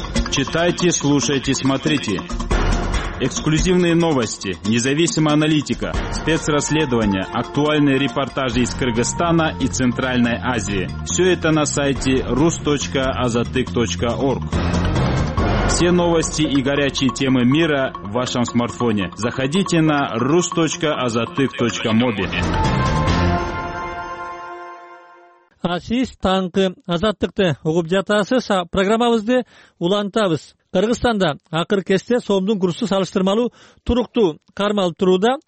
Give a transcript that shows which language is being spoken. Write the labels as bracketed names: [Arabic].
[Russian] Читайте, слушайте, смотрите. Эксклюзивные новости, независимая аналитика, спецрасследования, актуальные репортажи из Кыргызстана и Центральной Азии. Все это на сайте rus.azatyk.org. Все новости и горячие темы мира в вашем смартфоне. Заходите на rus.azatyk.mobi. [Kyrgyz] Асис таңкы азаттыкты угуп жатасыз, программабызды улантабыз. Кыргызстанда акыр кесте сомдун курсу салыштырмалуу туруктуу кармалып турууда.